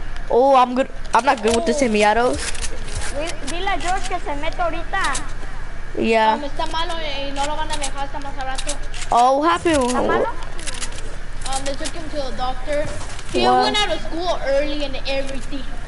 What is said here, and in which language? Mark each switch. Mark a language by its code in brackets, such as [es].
[en] Oh, I'm not good with the semi-autos. [es] Dile a George que se mete ahorita. Yeah. Está malo y no lo van a dejar hasta más rato. [en] Oh, what happened? [es] ¿Está malo? [en] They took him to the doctor. He went out of school early and everything.